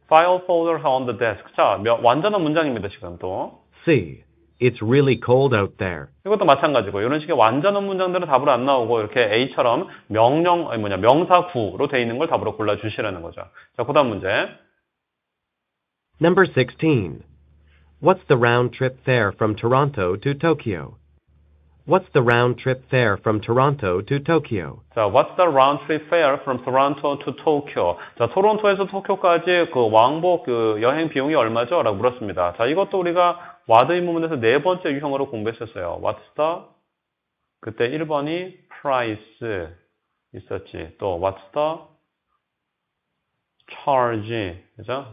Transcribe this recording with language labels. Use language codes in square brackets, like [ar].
[en] File folders are on the desk. [ko] 자, 완전한 문장입니다. 지금 또. [en] C. It's really cold out there. [ko] 이것도 마찬가지고 이런 식의 완전한 문장들은 답으로 안 나오고 이렇게 A처럼 명령 아니 뭐냐 명사구로 돼 있는 걸 답으로 골라 주시라는 거죠. 자, 그다음 문제. [en] Number 16. What's the round trip fare from Toronto to Tokyo? What's the round trip fare from Toronto to Tokyo? 자, what's the round trip fare from Toronto to Tokyo? [ko] 자, 토론토에서 도쿄까지 그 왕복 그 여행 비용이 얼마죠? 라고 물었습니다. 자, 이것도 우리가 와드 입문에서 네 번째 유형으로 공부했었어요. What's the 그때 1번이 price 있었지. [en] 또 what's the charge 그죠?